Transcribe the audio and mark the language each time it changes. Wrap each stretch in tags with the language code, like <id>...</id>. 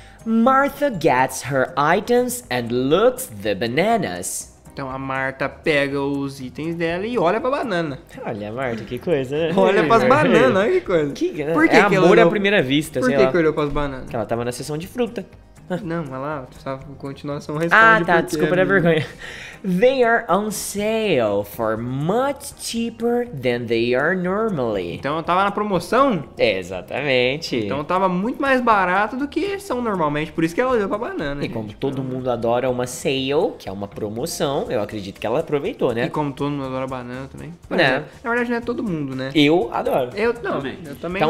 <en>Martha gets her items and looks the bananas.</en> <pt>Então, a Martha pega os itens dela e olha pra banana. Olha, Martha, que coisa, né? Olha pras bananas, olha que coisa. Por que é que amor à primeira vista, por sei lá. Por que olhou pras bananas? Porque ela tava na sessão de fruta. Não, mas lá, tu sabe, a continuação responde. Ah, tá, desculpa da vergonha.</pt> <en>They are on sale for much cheaper than they are normally.</en> <pt>Então, tava na promoção? Exatamente. Então, tava muito mais barato do que são normalmente, por isso que ela olhou pra banana. E gente, como todo mundo adora uma sale, que é uma promoção, eu acredito que ela aproveitou, né? E como todo mundo adora banana também. Né? Na verdade, não é todo mundo, né? Eu adoro. Eu não, também. Eu também então,</pt>